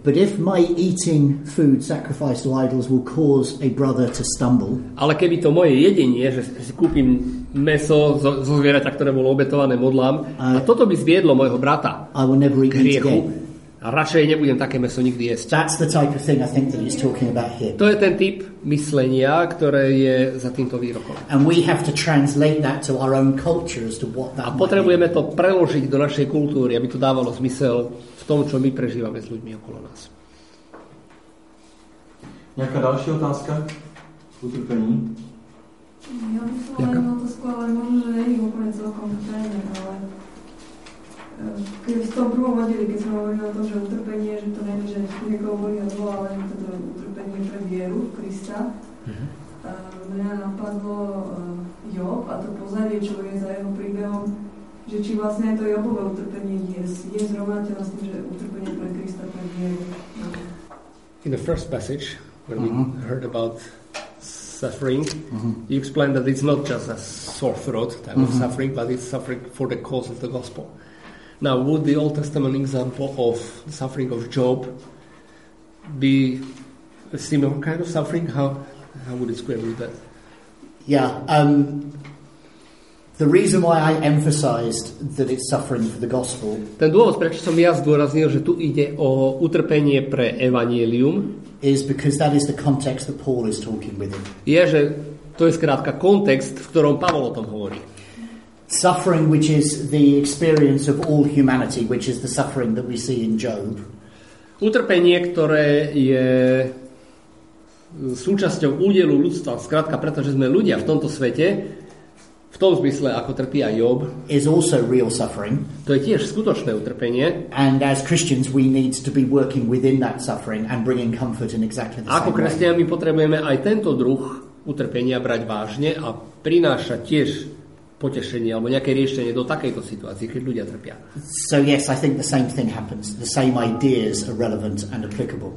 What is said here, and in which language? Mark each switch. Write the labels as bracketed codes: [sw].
[en] But if my eating food sacrificed to idols will cause a brother to stumble. [sk] Ale keby to moje jedenie, že si kúpim meso zo zvieraťa, ktoré bolo obetované modlám, a toto by zviedlo mojho brata k hriechu. A radšej nebudem také meso nikdy jesť. [en] That's the type of thing I think that he's talking about here. [sk] To je ten typ myslenia, ktoré je za týmto výrokom. [en] And we have to translate that to our own culture as to what that. [sk] A potrebujeme to preložiť do našej kultúry, aby to dávalo zmysel v tom, čo my prežívame s ľuďmi okolo nás. Nejaká ďalšia otázka? Utrpení? Ja by som len otázku, ale možno, že nie je úplne celkom trénne, ale keď v tom prvom oddeli, keď sme hovorili o tom, že utrpenie, že to nie je, že niekoho volí a zvolá, ale že to je utrpenie pre vieru Krista, mňa napadlo Job a to pozadie, čo je za jeho príbehom, že či vlastne to Jobové utrpenie je zrovnateľ s tým, že utrpenie pre Krista, pre vieru. [en] In the first passage, when we heard about suffering, you explained that it's not just a sore throat type of suffering, but it's suffering for the cause of the gospel. Now, would the Old Testament example of suffering of Job be a similar kind of suffering? How would you describe that? Yeah. The reason why I emphasized that it's suffering for the gospel. [sk] Ten dôvod, prečo som ja zdôraznil, že tu ide o utrpenie pre evanjelium, [en] is because that is the context that Paul is talking with him. [sk] Je, že to je skrátka kontext, v ktorom Pavol o tom hovorí. [en] Suffering, which is the experience of all humanity, which is the suffering that we see in Job. [sk] Utrpenie, ktoré je súčasťou údelu ľudstva, skrátka pretože sme ľudia v tomto svete, v tom zmysle, ako trpí aj Job, [en] is also real suffering. [sk] To je tiež skutočné utrpenie. [en] And as Christians, we need to be working within that suffering and bringing comfort in exactly the same way. [sk] Ako kresťania, my potrebujeme aj tento druh utrpenia brať vážne a prinášať tiež potešenie alebo nejaké riešenie do takejto situácie, keď ľudia trpia. [en] So yes, I think the same thing happens. The same ideas are relevant and applicable.